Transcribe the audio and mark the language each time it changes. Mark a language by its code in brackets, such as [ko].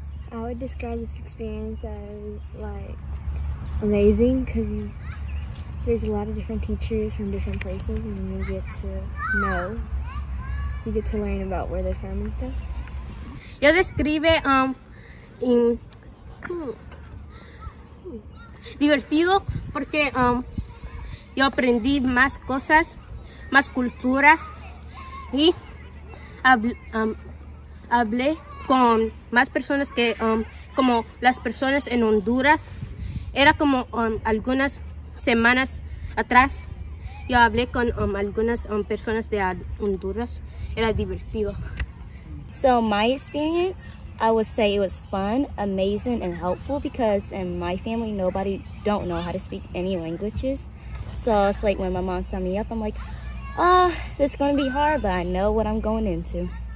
[en] I would describe this experience as like amazing because there's a lot of different teachers from different places and you get to know, you get to learn about where they're from and stuff. [es] Yo describe divertido porque yo aprendí más cosas, más culturas y hablé con más personas que como las personas en Honduras. Era como algunas semanas atrás yo hablé con algunas personas de Honduras. Era divertido. [en] So my experience, I would say it was fun, amazing, and helpful because in my family, nobody don't know how to speak any languages. So it's like when my mom signed me up, I'm like, oh, this is going to be hard, but I know what I'm going into.